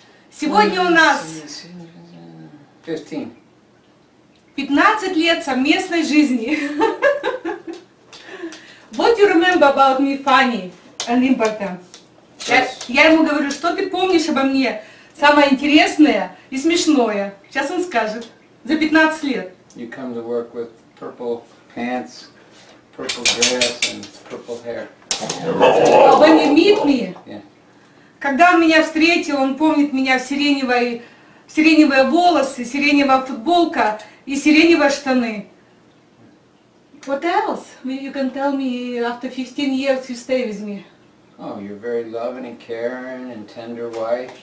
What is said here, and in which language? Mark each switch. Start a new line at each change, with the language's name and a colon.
Russian: Сегодня у нас 15 лет совместной жизни.
English: What do you remember about me funny and important?
Russian: Я ему говорю, что ты помнишь обо мне самое интересное и смешное. Сейчас он скажет. За 15 лет.
English: You come to work with purple pants, purple dress and purple hair. When you meet me,
Russian: когда он меня встретил, он помнит меня в сиреневые волосы, сиреневая футболка и сиреневые штаны.
English: What else? You can tell me after 15 years you stay with me. Oh, you're very loving and caring and tender wife.